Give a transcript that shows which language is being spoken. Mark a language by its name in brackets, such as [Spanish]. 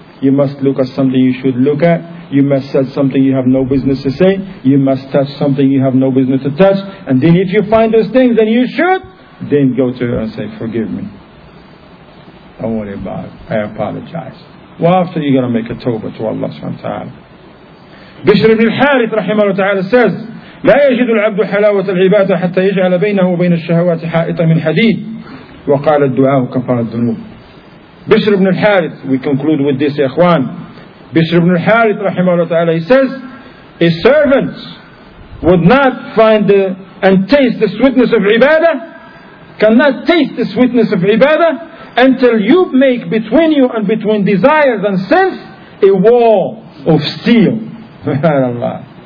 [English] You must look at something you should look at. You must say something you have no business to say. You must touch something you have no business to touch. And then if you find those things, then you should. Then go to her and say, forgive me. Don't worry about it. I apologize. Well, after you're going to make a tawbah to Allah subhanahu wa ta'ala. [Arabic] Bishr ibn al-Harith, rahimahullah ta'ala, says, لا يجد العبد حلاوة العبادة حتى يجعل بينه وبين الشهوات حائطا من حديد وقال الدعاء كفارة الذنوب. [English] Bishr ibn al-Harith, we conclude with this, ikhwan. Bishr ibn al-Harith, rahimahullah ta'ala, he says, a servant would not find and taste the sweetness of ibadah, cannot taste the sweetness of ibadah, until you make between you and between desires and sins a wall of steel. Subhanallah.